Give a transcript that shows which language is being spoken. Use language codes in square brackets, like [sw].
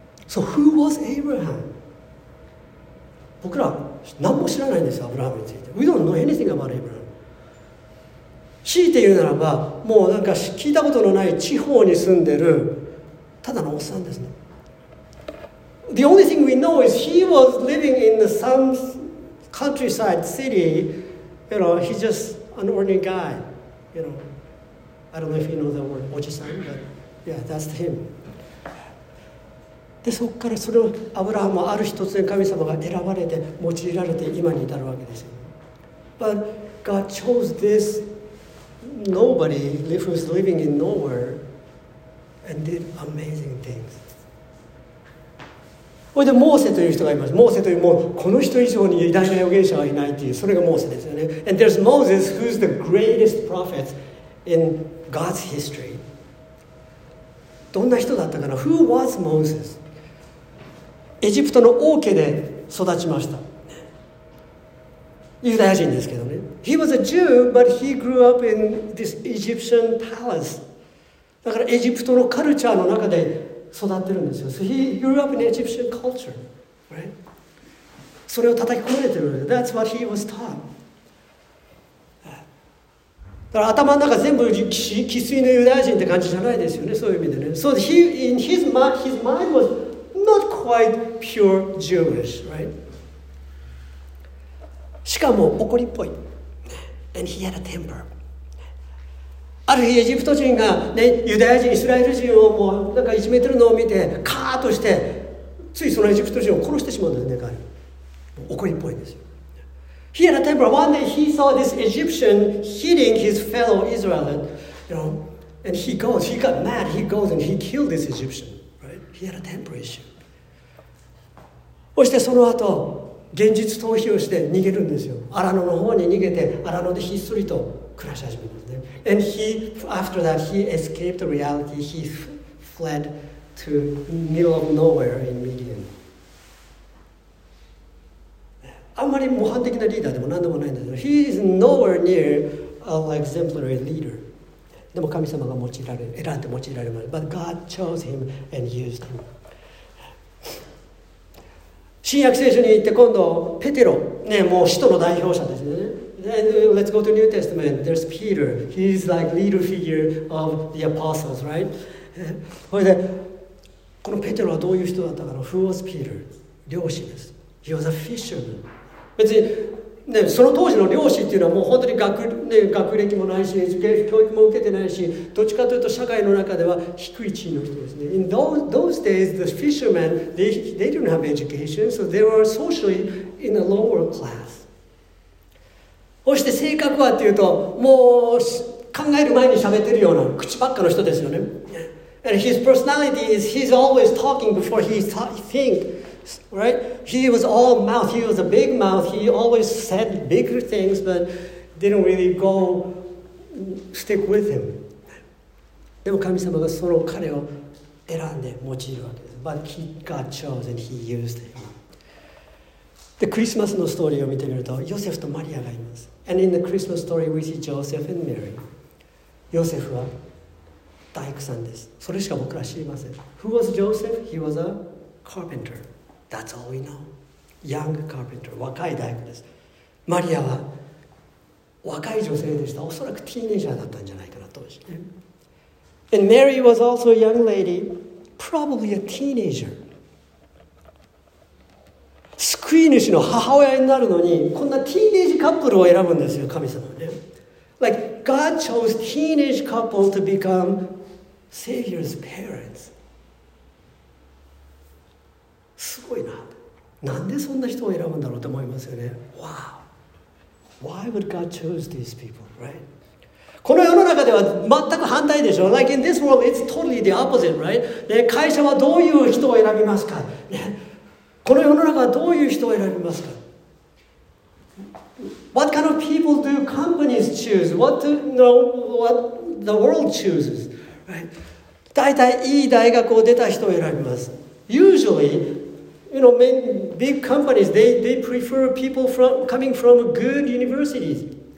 [en] So who was Abraham? [ja] 僕ら何も知らないんですよ、アブラハムについて。 [en] We don't know anything about Abraham. [ja] 強いて言うならば、もうなんか聞いたことのない地方に住んでるただのおっさんですね。 [en] The only thing we know is he was living in some countryside city. You know, he's just an ordinary guy. You know, I don't know if you know that word, Ojisan, but yeah, that's him. [ja] でそこからそれをアブラハムはある日突然神様が選ばれて用いられて今に至るわけですよ。 [en] But God chose this nobody who was living in nowhere and did amazing things. [ja] それでモーセという人がいます。モーセというもうこの人以上に偉大な預言者はいないという、それがモーセですよね。 [en] And there's Moses, who's the greatest prophet in God's history. [ja] どんな人だったかな ？ [en] Who was Moses? [ja] エジプトの王家で育ちました。ユダヤ人ですけどね。 [en] He was a Jew, but he grew up in this Egyptian palace. [ja] だからエジプトのカルチャーの中で育ってるんですよ。 [en] So he grew up in Egyptian culture, right? [ja] それを叩き込まれてる。 [en] That's what he was taught. [ja] だから頭の中全部生粋のユダヤ人って感じじゃないですよね。そういう意味でね。 [en] So he, in his mind was not quite pure Jewish, right? [ja] しかも怒りっぽい。 [en] And he had a temper. [ja] ある日エジプト人が、ね、ユダヤ人、イスラエル人をもうなんかいじめてるのを見てカーッとしてついそのエジプト人を殺してしまうんですね、彼。怒りっぽいんですよ。 [en] He had a temper. One day he saw this Egyptian hitting his fellow Israelite, you know, and he goes, he got mad, he goes and he killed this Egyptian, right? He had a temper issue. [ja] そしてその後、現実逃避をして逃げるんですよ。荒野の方に逃げて、荒野でひっそりと暮らし始めるんですね。 [en] And he, after that, he escaped the reality. He fled to middle of nowhere in Midian. [ja] あんまり模範的なリーダーでも何でもないんですよ。 [en] He is nowhere near an exemplary leader. [ja] でも神様が用いられ、選んで用いられます。 [en] But God chose him and used him. [ja] 新約聖書に行って今度、ペテロ、ね、もう使徒の代表者ですよね。 [en] And let's go to New Testament. There's Peter. He's like leader figure of the apostles, right? [ja] それでこのペテロはどういう人だったかな [en] Who was Peter? [ja] 漁師です。 [en] He was a fisherman. [ja] 別に、ね、その当時の漁師っていうのはもう本当に 学歴もないし、教育も受けてないし、どっちかというと社会の中では低い地位の人ですね。 [en] In those days, the fishermen, they didn't have education, so they were socially in a lower class. [ja] そして性格はっていうと、もう考える前に喋ってるような口ばっかの人ですよね。 [en] And his personality is he's always talking before he thinks, right? He was all mouth, he was a big mouth, he always said bigger things, but didn't really go stick with him. [ja] でも神様がその彼を選んで用いるわけです。 [en] But he got chosen and he used him. [ja] でクリスマスのストーリーを見てみると、ヨセフとマリアがいます。 [en] And in the Christmas story, we see Joseph and Mary. [ja] ヨセフは大工さんです。それしか僕ら知りません。 [en] Who was Joseph? He was a carpenter. That's all we know. Young carpenter. [ja] 若い大工です。マリアは若い女性でした。おそらくティーネージャーだったんじゃないかな、当時。 [en] And Mary was also a young lady, probably a teenager. [ja] 救い主の母親になるのに、こんなティーネージカップルを選ぶんですよ、神様ね。 [en] Like, God chose teenage couple to become Savior's parents. [ja] すごいな。なんでそんな人を選ぶんだろうと思いますよね。 [en] Wow. Why would God choose these people, right? [ja] この世の中では全く反対でしょ。 [en] Like, in this world, it's totally the opposite, right? [ja] ね、会社はどういう人を選びますか、ねこの世の中はどういう人を選びますか [en] ?What kind of people do companies choose?What do you know what the world chooses? [ja] 大体、いい大学を出た人を選びます。 [en] Usually, you know, big companies, they prefer people from, coming from good universities.